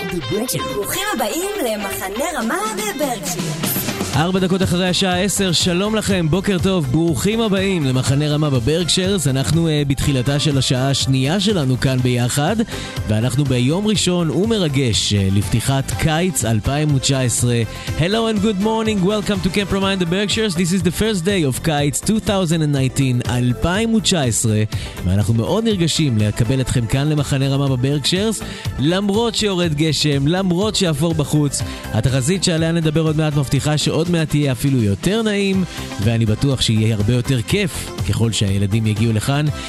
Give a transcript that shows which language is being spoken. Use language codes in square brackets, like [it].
[he] ברוכים הבאים למחנה רמה בברקשירס. 4 דקות אחרי השעה 10, שלום לכם, בוקר טוב, ברוכים הבאים למחנה רמה בברקשירס. אנחנו בתחילתה של השעה השנייה שלנו כאן ביחד, ואנחנו ביום ראשון ומרגש לפתיחת קיץ 2019. [en] Hello and good morning, welcome to Camp Ramah in the Berkshires. This is the first day of [he] קיץ 2019, ואנחנו מאוד נרגשים לקבל אתכם כאן למחנה רמה בברקשירס, למרות שיורד גשם, למרות שאפור בחוץ. התחזית שעליה נדבר עוד מעט מבטיחה ש עוד מעט תהיה אפילו יותר נעים, ואני בטוח שיהיה הרבה יותר כיף ככל שהילדים יגיעו לכאן.